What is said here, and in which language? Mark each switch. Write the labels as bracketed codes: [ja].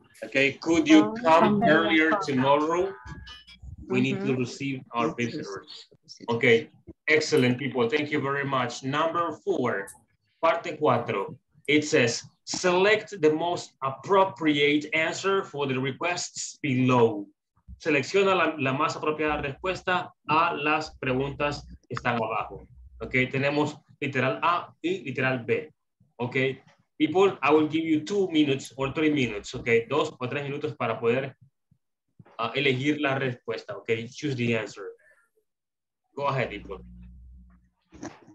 [en] Okay, could you come earlier tomorrow? We need to receive our visitors. Okay, excellent people. Thank you very much. Number four, [es] parte cuatro. [en] It says, select the most appropriate answer for the requests below. [es] Selecciona la más apropiada respuesta a las preguntas que están abajo. Okay, tenemos literal A y literal B. [en] Okay, people, I will give you 2 minutes or 3 minutes. [es] Okay, 2 o 3 minutos para poder elegir la respuesta. [en] Okay, choose the answer. Go ahead, people. No, no, no.